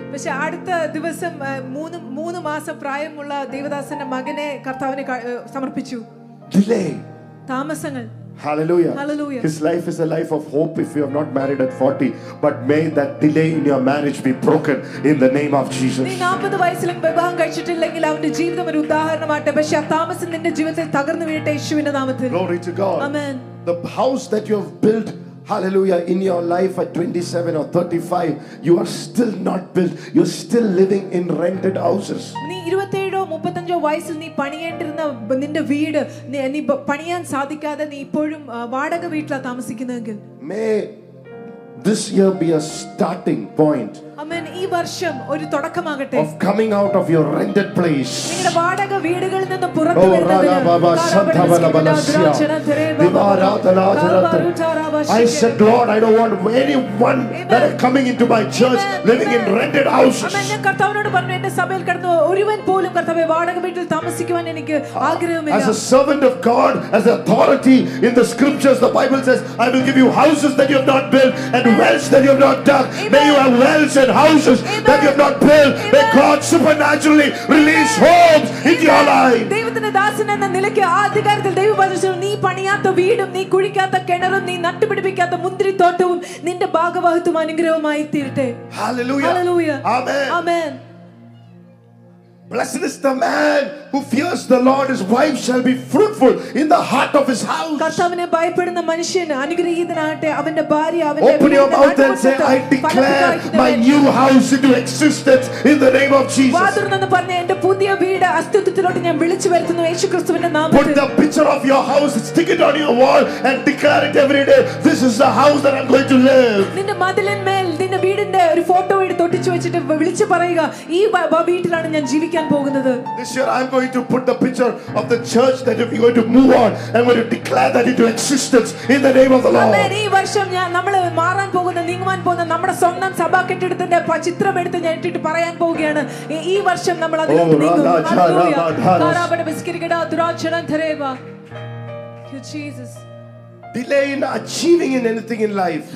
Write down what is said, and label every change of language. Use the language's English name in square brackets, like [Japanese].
[Malayalam] പക്ഷേ അടുത്ത ദിവസം മൂന്ന് മാസം പ്രായമുള്ള ദേവദാസന്റെ മകനെ കർത്താവിനെ സമർപ്പിച്ചു. [English] Delay. [Malayalam] താമസങ്ങൾ. [English] Hallelujah. Hallelujah. His life is a life of hope if you have not married at 40. But may that delay in your marriage be broken in the name of Jesus. [Malayalam] നീ 40 വയസ്സിലും വിവാഹം കഴിച്ചിട്ടില്ലെങ്കിൽ അവന്റെ ജീവിതം ഒരു ഉദാഹരണമാട്ടെ. പക്ഷേ ആ താമസം നിന്റെ ജീവിതത്തിൽ തകർന്നു വീഴട്ടെ യേശുവിന്റെ നാമത്തിൽ. [English] Glory to God. Amen. The house that you have built, hallelujah, in your life at 27 or 35, you are still not built. You're still living in rented houses. [Malayalam] നീ 27ഓ 35ഓ വയസ്സിൽ നീ പണിയേണ്ടിരുന്ന നിന്റെ വീട് നീ പണിയാൻ സാധിക്കാതെ നീ ഇപ്പോഴും വാടക വീട്ടിലാണ് താമസിക്കുന്നതെങ്കിൽ, [English] may this year be a starting point. [Malayalam] Amen. ഈ വർഷം ഒരു തുടക്കമാകട്ടെ. [English] Of coming out of your rented place. [Malayalam] നിങ്ങളുടെ വാടക വീടുകളിൽ നിന്ന് പുറത്തു വരുന്നതിന്. Oh, Baba, Santa Bala Balasya. Divaratana Jarat. [English] I said, Lord, I don't want anyone that is coming into my church living in rented houses. [Malayalam] അമ്മ ഞാൻ കർത്താവിനോട് പറഞ്ഞു, എന്റെ സഭയിൽ കടന്നു ഒരുവൻ പോലും കർത്താവേ വാടക വീട്ടിൽ താമസിക്കാൻ എനിക്ക് ആഗ്രഹമില്ല. [English] As a servant of God, as authority in the scriptures, the Bible says, I will give you houses that you have not built and wells that you have not dug. May you have wells and houses that you have not built. May God supernaturally release homes into your life. [Malayalam] ദൈവത്തിന്റെ ദാസൻ എന്ന നിലയ്ക്ക് ആധികാരത്തിൽ ദൈവവചനം, നീ പണിയാത്ത വീടും നീ കുഴിക്കാത്ത കിണറും നീ നട്ടുപിടിപ്പിക്കാത്ത മുന്തിരിത്തോട്ടവും നിന്റെ ഭാഗവഹത്വം അനുഗ്രഹമായി തീരട്ടെ. Hallelujah. Hallelujah. Amen. Amen. [English] Blessed is the man who fears the Lord, his wife shall be fruitful in the heart of his house. [Malayalam] കർത്താവിനെ ഭയപ്പെടുന്ന മനുഷ്യൻ അനുഗ്രഹീതനാകട്ടെ അവന്റെ ഭാര്യ അവന്റെ [English] Open your mouth and say, I declare my new house into existence in the name of Jesus. [Malayalam] വാദർന്നെന്ന് പറഞ്ഞു എൻ്റെ പുതിയ വീട് അസ്തിത്വത്തിലോട്ട് ഞാൻ വിളിച്ചു വരുത്തുന്നു യേശുക്രിസ്തുവിന്റെ നാമത്തിൽ. [English] Put the picture of your house, stick it on your wall and declare it every day. This is the house that I'm going to live. [Malayalam] നിന്റെ മതിലിന്മേൽ നിന്റെ വീടിന്റെ ഒരു ഫോട്ടോ എടുത്ത് ഒട്ടിച്ചു വെച്ചിട്ട് വിളിച്ചു പറയുക ഈ വീട്ടിലാണ് ഞാൻ ജീവിക്കാൻ പോകുന്നത്. [English] This year I'm going to put the picture of the church that we're going to move on and we're going to declare that into existence in the name of the Lord. [Malayalam] അമേ ഈ വർഷം ഞാൻ നമ്മൾ മാറാൻ പോകുന്ന നീങ്ങാൻ പോകുന്ന നമ്മുടെ സ്വന്തം സഭാ കെട്ടിടത്തിന്റെ ചിത്രം എടുത്ത് ഞാൻ ഇട്ടിട്ട് പറയാൻ പോവുകയാണ് ഈ വർഷം നമ്മൾ അതിലോട്ട് നീങ്ങും. [English] Delay in achieving in anything in life.